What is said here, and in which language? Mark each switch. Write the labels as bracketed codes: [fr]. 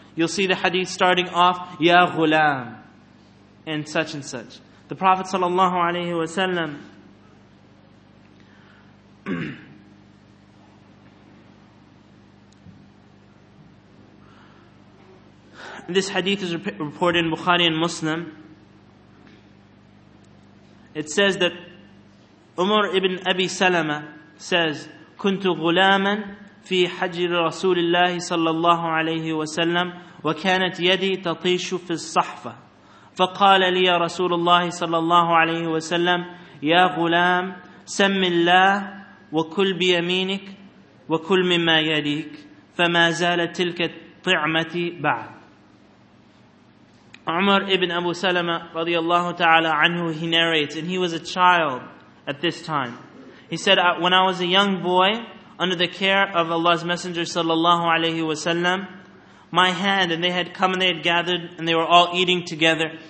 [en] You'll see the hadith starting off, Ya Ghulam, and such and such. The Prophet sallallahu alayhi wa sallam, this hadith is reported in Bukhari and Muslim. It says that Umar ibn Abi Salama says, [ar] كنت غلاما في حجر رسول الله صلى الله عليه وسلم وكانت يدي تطيش في الصحفة فقال لي رسول الله صلى الله عليه وسلم يا غلام سم الله وكل بيمينك وكل مما يديك فما زالت تلك طعمتي بعد. [en] Umar ibn Abu Salama radiallahu ta'ala anhu, he narrates, and he was a child at this time. He said, when I was a young boy, under the care of Allah's Messenger sallallahu alayhi wa sallam, my hand, and they had come and they had gathered, and they were all eating together.